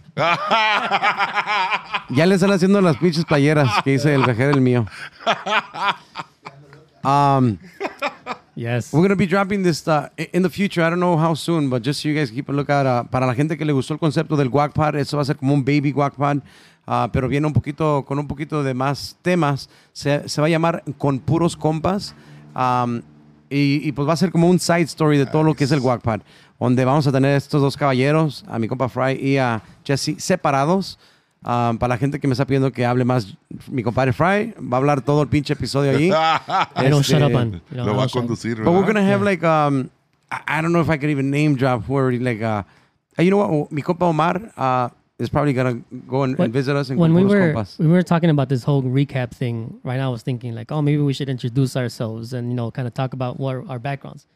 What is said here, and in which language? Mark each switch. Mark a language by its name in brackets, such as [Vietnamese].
[Spanish] Ya le están haciendo las pinches playeras que dice El Vergel es mío. [English] Yes. We're going to be dropping this in the future. I don't know how soon, but just so you guys keep a lookout. [Spanish] Para la gente que le gustó el concepto del guac pod, eso va a ser como un baby guac pod, pero viene un poquito con un poquito de más temas. Se va a llamar Con Puros Compas. Y pues va a ser como un side story de todo lo que es el guac pod, donde vamos a tener estos dos caballeros, a mi compa Fry y a Jesse, separados. Para la gente que me está pidiendo que hable más, mi compadre Fry va a hablar todo el pinche episodio allí. Lo va a conducir. [English] But we're gonna have like I don't know if I could even name drop who already like you know what, mi compa Omar is probably gonna go and visit us. When we were talking about this whole recap thing, right now I was thinking like, oh, maybe we should introduce ourselves and kind of talk about what our backgrounds.